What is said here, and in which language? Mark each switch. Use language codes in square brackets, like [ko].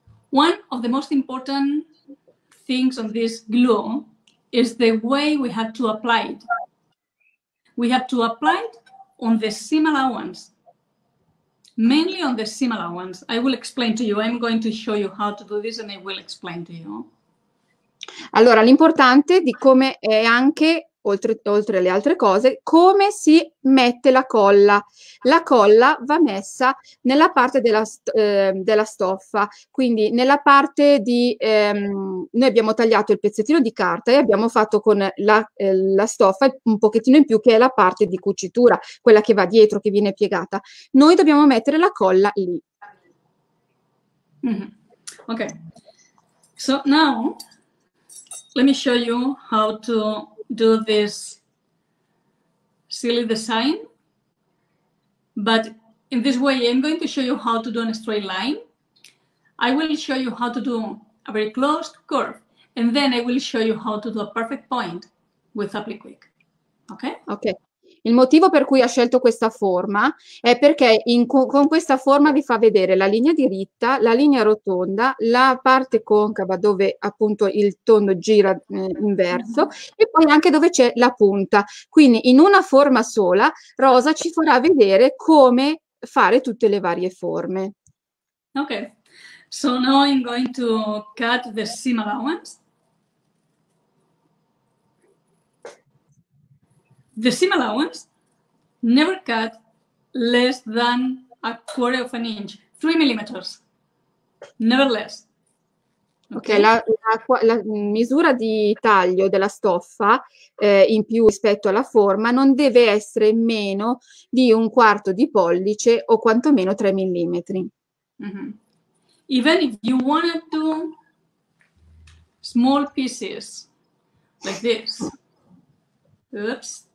[en] One of the most important things on this glue is the way we have to apply it. We have to apply it on the seam allowance, mainly on the seam allowance. I will explain to you. I'm going to show you how to do this and I will explain to you. [it] Allora, l'importante di come è anche, oltre alle altre cose, come si mette la colla. La colla va messa nella parte della stoffa, quindi nella parte di noi abbiamo tagliato il pezzettino di carta e abbiamo fatto con la stoffa un pochettino in più, che è la parte di cucitura, quella che va dietro, che viene piegata. Noi dobbiamo mettere la colla lì. Mm-hmm. [en] Ok, so now let me show you how to do this silly design, but in this way I'm going to show you how to do a straight line. I will show you how to do a very closed curve, and then I will show you how to do a perfect point with applique. Okay. [it] Il motivo per cui ha scelto questa forma è perché con questa forma vi fa vedere la linea diritta, la linea rotonda, la parte concava dove appunto il tondo gira inverso e poi anche dove c'è la punta. Quindi in una forma sola Rosa ci farà vedere come fare tutte le varie forme. [en] Ok, so now I'm going to cut the seam allowance. The seam allowance, never cut less than a quarter of an inch, 3 millimeters, never less. Okay. [it] La misura di taglio della stoffa in più rispetto alla forma non deve essere meno di un quarto di pollice o quantomeno 3 millimetri. Mm-hmm. [en] Even if you want to do small pieces like this, oops.